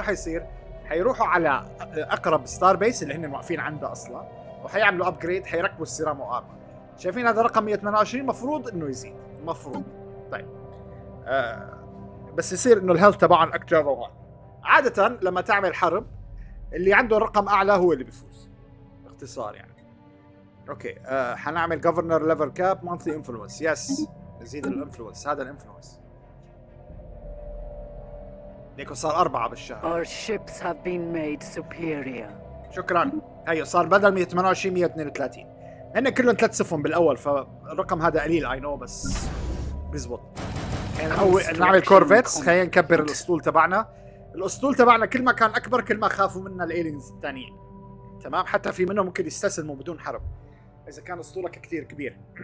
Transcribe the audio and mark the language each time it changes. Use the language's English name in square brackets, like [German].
[Arabic] شو حيصير؟ حيروحوا على اقرب ستار بيس اللي هن واقفين عنده اصلا، وحيعملوا ابجريد، حيركبوا السيرام وارمر. شايفين هذا رقم 128 مفروض انه يزيد، مفروض. طيب بس يصير انه الهيلث تبعهم اكثر. هون عاده لما تعمل حرب اللي عنده الرقم اعلى هو اللي بيفوز باختصار يعني. اوكي حنعمل [English] governor level cap monthly influence. [Arabic] يس نزيد الانفلونس، هذا الانفلونس. ليكو صار 4 بالشهر. [English] Our ships have been made superior. [Arabic] شكرا. هيو صار بدل 128 132. هن كلهم ثلاث سفن بالاول، فالرقم هذا قليل اي نو بس بزبط. خلينا نعمل كورفيتس، خلينا نكبر الاسطول تبعنا. الاسطول تبعنا كل ما كان اكبر كل ما خافوا منا الايلينز الثانيين، تمام؟ حتى في منهم ممكن يستسلموا بدون حرب اذا كان اسطولك كثير كبير.